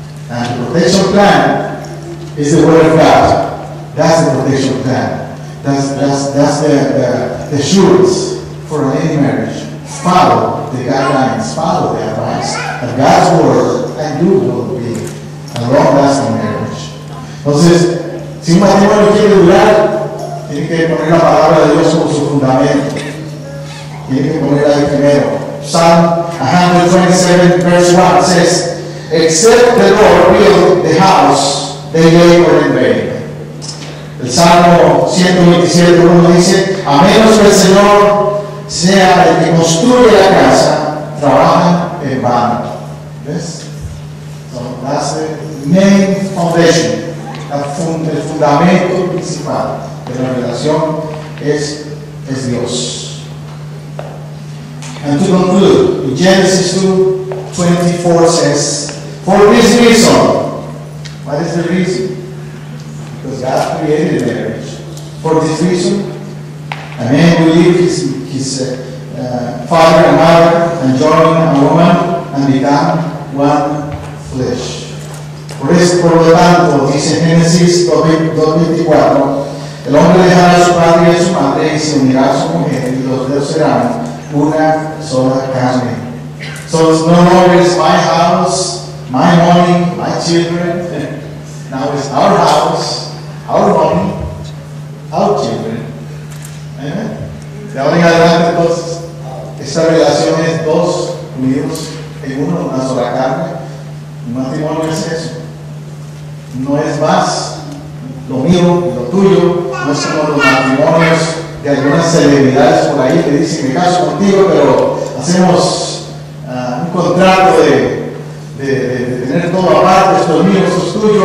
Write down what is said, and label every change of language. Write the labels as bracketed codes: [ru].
[en] And the protection plan is the word of God. That's the protection plan. That's the assurance for any marriage. Follow the guidelines, follow the advice of God's word, and you will be a long-lasting marriage. [es] Entonces, si un matrimonio quiere durar, tiene que poner la palabra de Dios como su fundamento. Tiene que poner ahí primero. [en] Psalm 127, verse 1 says, except the Lord build the house, they labor in vain. [es] El Salmo 127, 1 dice, a menos que el Señor sea el que construye la casa, trabaja en vano. ¿Ves? [en] So that's the main foundation. [es] El fundamento principal de la relación es Dios. [en] And to conclude, in Genesis 2, 24 says, for this reason, what is the reason? Because God created marriage. For this reason, a man will leave his father and mother and join a woman and become one flesh. [es] Por eso, por lo tanto, dice Génesis 2:24, el hombre dejará a su padre y a su madre y se unirá a su mujer y los dos serán una sola carne. [en] So it's no longer my house, my money, my children. Now it's our house, our money, our children. [es] Amen. De ahora en adelante, entonces, esta relación es dos unidos en uno, una sola carne. Un matrimonio es eso. No es más lo mío y lo tuyo. No es como los matrimonios de algunas celebridades por ahí que dicen, me caso contigo, pero hacemos un contrato de tener todo aparte, esto es mío, esto es tuyo.